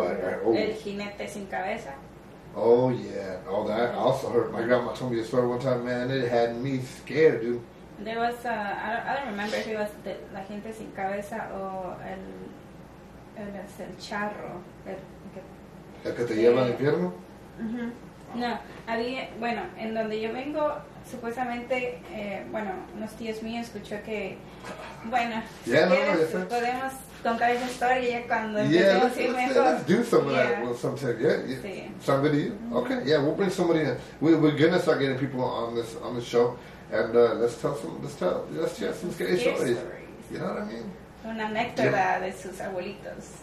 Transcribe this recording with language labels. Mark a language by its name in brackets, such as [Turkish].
[Spanish] El jinete sin cabeza. [English] Oh, yeah. Oh, that also hurt. My grandma told me a story one time, man. It had me scared, dude. There was, I don't remember if it was the, [Spanish] la gente sin cabeza o el charro. El que te lleva al infierno? Uh-huh. No, había, bueno, en donde yo vengo, supuestamente, bueno, unos tíos míos escuchó que, bueno, yeah, si no, quieres, no, pues podemos contar esa historia ya cuando empecemos a ir mejor. [English] Yeah, let's do some of that sometime, yeah. [Spanish] Sí. [English] Sound good to you? Mm-hmm. Okay, yeah, we'll bring somebody in. We're going to start getting people on this show, and let's share some scary stories. You know what I mean? [Spanish] Una anécdota de sus abuelitos.